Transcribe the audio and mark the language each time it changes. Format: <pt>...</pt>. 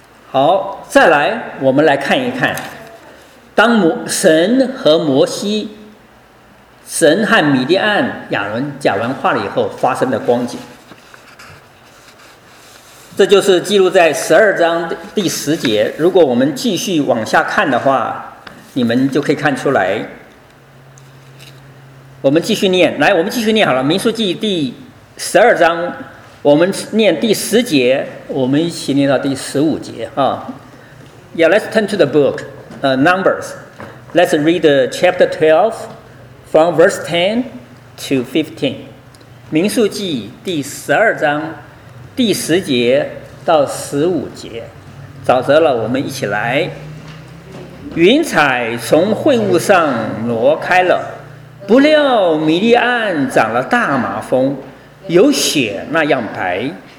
<zh>好，再来我们来看一看，当神和摩西，神和米迪安亚伦讲完话了以后发生的光景，这就是记录在12章第10节。如果我们继续往下看的话，你们就可以看出来。我们继续念，来，我们继续念好了。民数记第12章，我们念第10节，我们一起念到第15节啊。</zh> <en>Yeah, let's turn to the book, Numbers. Let's read chapter 12 from verse 10 to 15.</en> <zh>民数记第12章第10节到15节，早晨了，我们一起来。云彩从会幕上挪开了，不料米利安长了大麻风，有血那样白。</zh>